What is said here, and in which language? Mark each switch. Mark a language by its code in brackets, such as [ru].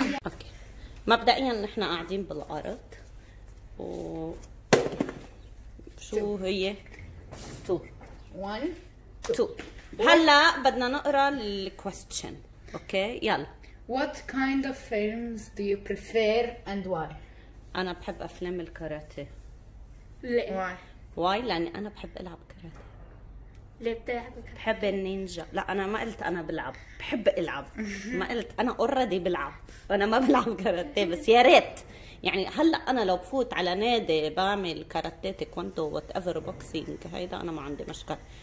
[ar] اوكي مبدئيا نحن قاعدين بالارض. و شو هي؟ 2 1 2. هلا بدنا نقرا الكويستشن. اوكي يلا. [en] What kind of films do you prefer and why? [ar] انا بحب افلام الكاراتيه. ليه؟ واي؟ لاني انا بحب العب كاراتيه. ليه بتلعب كاراتيه؟ بحب النينجا. لا انا ما قلت انا بلعب، بحب العب. ما قلت انا اوريدي بلعب، انا ما بلعب كاراتيه بس يا ريت. يعني هلا انا لو بفوت على نادي بعمل كاراتيه تيكوندو وات ايفر بوكسينج هيدا انا ما عندي مشكله.